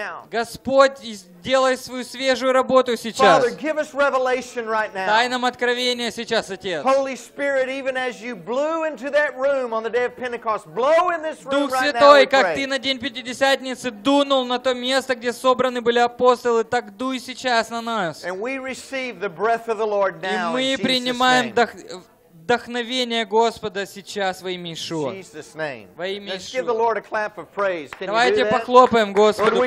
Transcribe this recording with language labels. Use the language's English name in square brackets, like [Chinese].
[Russian] Господь, сделай свою свежую работу сейчас. [English] Father, give us revelation right now. [Russian] Дай нам откровение сейчас, Отец. [English] Holy Spirit, even as you blew into that room on the day of Pentecost, blow in this room right now. [Russian] Дух Святой, как Ты на день Пятидесятницы дунул на то место, где собраны были апостолы, так дуй сейчас на нас. [English] And we receive the breath of the Lord now. [Russian] И мы принимаем вдохновение Господа сейчас во имя Иешуа. Во имя Иешуа. Давайте похлопаем Господу,